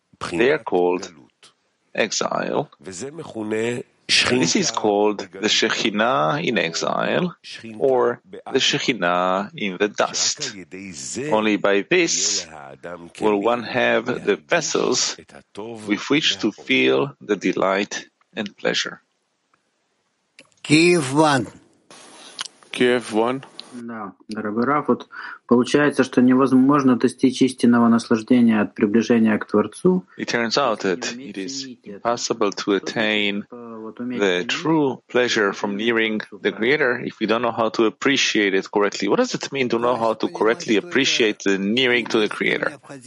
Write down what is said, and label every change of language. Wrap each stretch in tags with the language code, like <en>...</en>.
<en>They are called exile. This is called the Shekhinah in exile, or the Shekhinah in the dust. Only by this will one have the vessels with which to feel the delight and pleasure. Kiev 1.</en> <ru>Да, дорогой Раф, вот получается, что невозможно достичь истинного наслаждения от приближения к Творцу.</ru> <en>It turns out that it is impossible to attain the true pleasure from nearing the Creator if we don't know how to appreciate it correctly. What does it mean to know how to correctly appreciate the nearing to the Creator?</en>